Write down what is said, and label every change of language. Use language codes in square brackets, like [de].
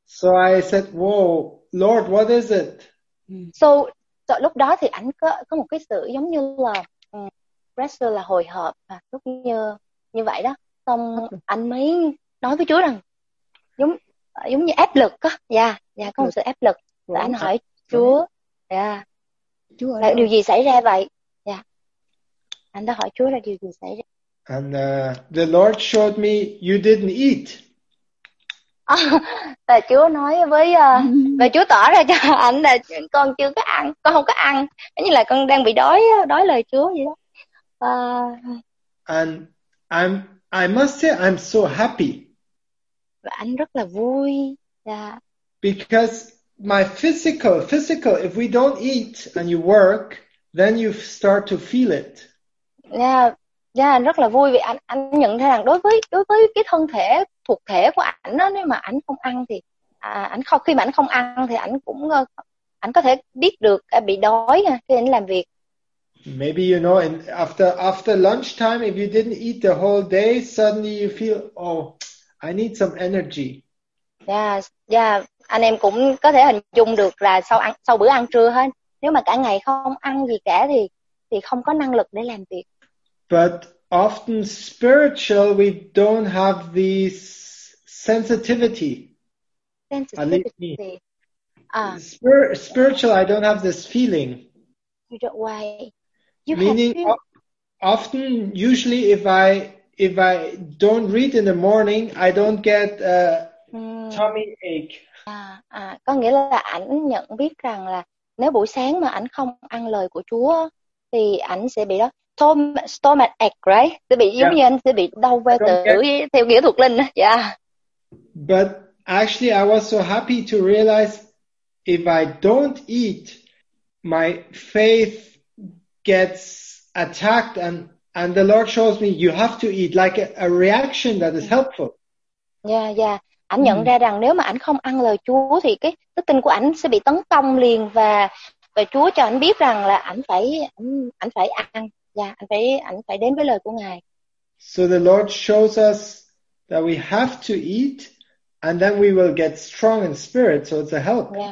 [en] So I said, "Whoa, Lord, what is it?" [vi] So lúc đó thì anh có một cái sự giống như là pressure là hồi hộp và lúc như vậy đó. Xong anh mới nói với Chúa rằng giống như áp lực á. Dạ, có một sự áp lực. Và anh hỏi Chúa. Là điều gì xảy ra vậy? Yeah. Anh đã hỏi Chúa là điều gì xảy ra. [en] And the Lord showed me you didn't eat. [vi] Và Chúa nói với và Chúa tỏ ra cho anh là con chưa có ăn, con không có ăn. Giống như là con đang bị đói, đói lời Chúa vậy đó. [en] And I must say I'm so happy. [vi] Và anh rất là vui. Yeah. [en] Because my physical, if we don't eat and you work, then you start to feel it. [vi] Yeah, anh rất là vui vì anh nhận thấy rằng đối với cái thân thể thuộc thể của ảnh đó, nếu mà ảnh không ăn thì khi mà ảnh không ăn thì ảnh cũng ảnh có thể biết được bị đói khi ảnh làm việc. [en] Maybe you know, and after lunchtime, if you didn't eat the whole day, suddenly you feel, oh, I need some energy. Yeah. [vi] Anh em cũng có thể hình dung được là sau bữa ăn trưa hết, nếu mà cả ngày không ăn gì cả thì không có năng lực để làm việc. [en] But often spiritual we don't have this sensitivity. Spiritual, I don't have this feeling. You don't, why? You meaning have often, usually if I don't read in the morning, I don't get a tummy ache. [vi] Có nghĩa là ảnh nhận biết rằng là nếu buổi sáng mà ảnh không ăn lời của Chúa thì ảnh sẽ bị đó [en] stomach ache, right? [vi] Sẽ bị giống như anh sẽ bị đau ve tử theo nghĩa thuộc linh. [en] Yeah. But actually I was so happy to realize if I don't eat my faith gets attacked and the Lord shows me you have to eat, like a reaction that is helpful. Yeah. [vi] Anh nhận ra rằng nếu mà anh không ăn lời Chúa thì cái đức tin của anh sẽ bị tấn công liền và Chúa cho anh biết rằng là anh phải ăn. Yeah, anh phải đến với lời của Ngài. [en] So the Lord shows us that we have to eat and then we will get strong in spirit, so it's a help.